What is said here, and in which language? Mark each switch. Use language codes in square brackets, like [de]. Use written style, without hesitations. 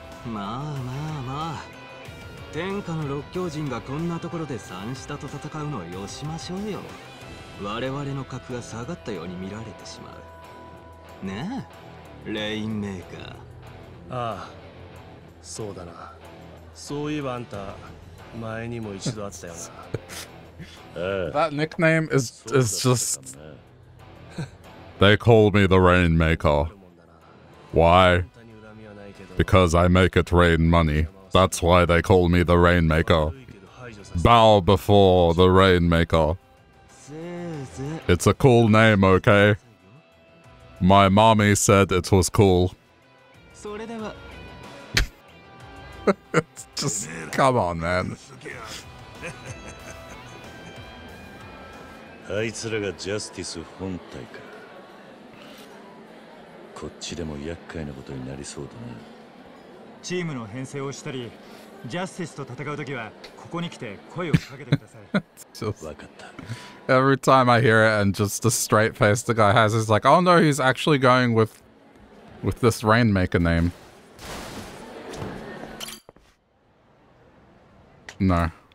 [ja] まあまあまあ、天下の六教人がこんなところで三下と戦うのをよしましょうよ。我々の格が下がったように見られてしまうね、レインメーカー。ああ、そうだな。そういえばあんた前にも一度会ったよな。 [en] That nickname is just they call me the Rainmaker. Why? Because I make it rain money. That's why they call me the Rainmaker. Bow before the Rainmaker. It's a cool name, okay? My mommy said it was cool. Just come on, man. [ja] あいつらがジャスティス本体か。こっちでも厄介なことになりそうだな。チームの編成をしたり、ジャスティスと戦うときはここに来て声をかけてください。わかった。 [en] Every time I hear it and just the straight face the guy has is like, oh no, he's actually going with this Rainmaker name. No.